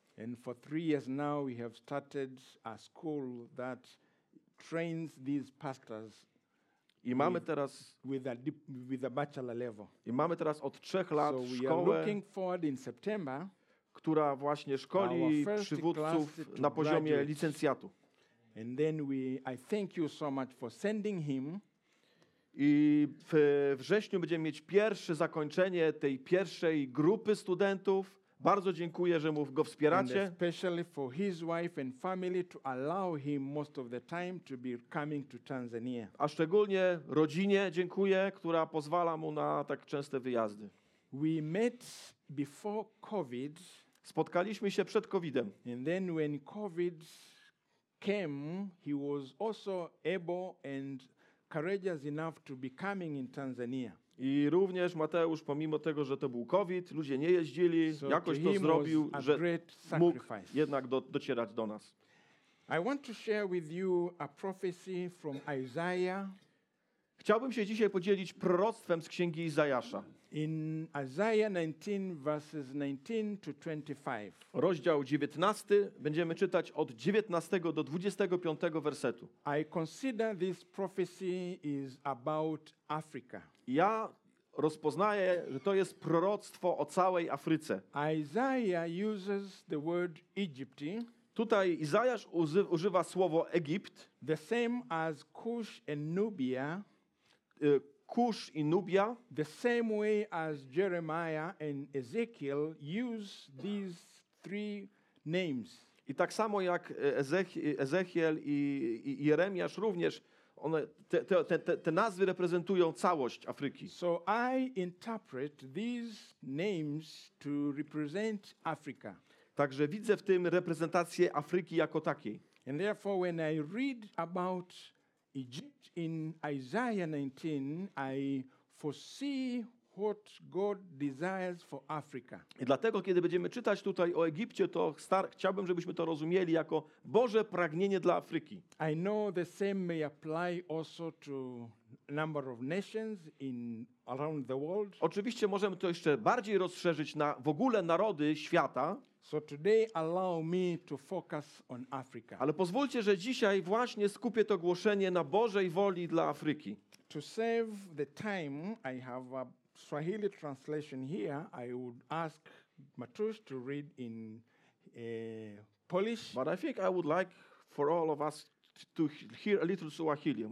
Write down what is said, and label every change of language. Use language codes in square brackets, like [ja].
[en] And for 3 years now we have started a school that trains these pastors. [pl] I mamy teraz od 3 lat [en] so we are looking forward in September, [pl] która właśnie szkoli przywódców na poziomie licencjatu. [en] And then I thank you so much for sending him. [pl] I w wrześniu będziemy mieć pierwsze zakończenie tej pierwszej grupy studentów. Bardzo dziękuję, że mu go wspieracie. [en] And especially for his wife and family to allow him most of the time to be coming to Tanzania. [pl] A szczególnie rodzinie dziękuję, która pozwala mu na tak częste wyjazdy. [en] We met before COVID. [pl] Spotkaliśmy się przed COVID-em. [en] And then when COVID came, he was also able and courageous enough to be coming in Tanzania. [pl] I również Mateusz, pomimo tego, że to był COVID, ludzie nie jeździli, [en] so [pl] jakoś to zrobił, że mógł jednak docierać do nas. [en] I want to share with you a prophecy from Isaiah. [pl] Chciałbym się dzisiaj podzielić proroctwem z Księgi Izajasza. [en] In Isaiah 19, verses 19 to 25. [pl] Rozdział 19, będziemy czytać od 19 do 25 wersetu. [en] I consider this prophecy is about Africa. [pl] Ja rozpoznaję, że to jest proroctwo o całej Afryce. [en] Isaiah uses the word Egypt. [pl] Tutaj Izajasz używa słowo Egipt. [en] The same as Kush and Nubia. [pl] Kush i Nubia. [en] The same way as Jeremiah and Ezekiel use these three names. [pl] I tak samo jak Ezechiel i Jeremiasz również. One te nazwy reprezentują całość Afryki. [en] So I interpret these names to represent Africa. [pl] Także widzę w tym reprezentację Afryki jako takiej. [en] And therefore when I read about Egypt in Isaiah 19, I foresee what God desires for Africa. [pl] I dlatego kiedy będziemy czytać tutaj o Egipcie, to chciałbym, żebyśmy to rozumieli jako Boże pragnienie dla Afryki. [en] I know the same may apply also to number of nations in around the world. [pl] Oczywiście możemy to jeszcze bardziej rozszerzyć na w ogóle narody świata. [en] So today allow me to focus on Africa. [pl] Ale pozwólcie, że dzisiaj właśnie skupię to głoszenie na Bożej woli dla Afryki. [en] To save the time, I have a Swahili translation here. I would ask Matus to read in Polish. But I think I would like for all of us to hear a little Swahili.